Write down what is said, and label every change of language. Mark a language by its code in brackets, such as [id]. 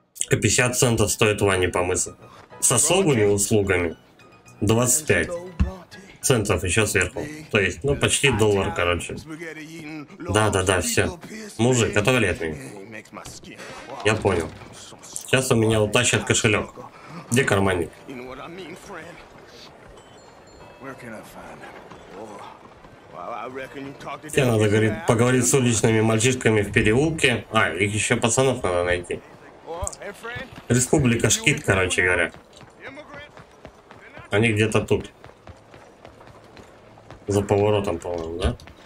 [ru] 50 центов стоит ванне помыться. С особыми услугами 25 центов еще сверху. То есть, ну, почти доллар, короче. Да-да-да, все. Мужик, это летний. Я понял. Сейчас у меня утащат кошелек. Где карманник? [en] You know what I mean, friend? Where can I find him? [ru] Тебе надо, говорит, поговорить с уличными мальчишками в переулке. А, их еще пацанов надо найти. Республика Шкит, короче говоря. Они где-то тут. За поворотом, по-моему, да?